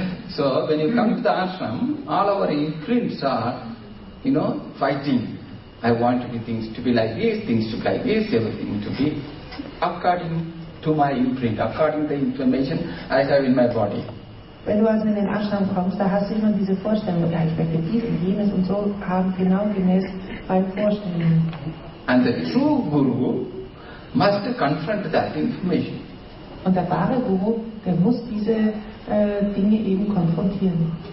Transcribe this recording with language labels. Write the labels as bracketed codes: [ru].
[en] So, when you come to the ashram, all our imprints are, you know, fighting. I want things to be like this, things to be like this, everything to be according to my imprint, according to the information I have in my body. [de] Wenn du also in den Ashram kommst, da hast du immer diese Vorstellung, ja, ich möchte dies und jenes und so haben, genau gemäß meinen Vorstellungen. [en] And the true guru must confront that information. [de] Und der wahre Guru, der muss diese Dinge eben konfrontieren.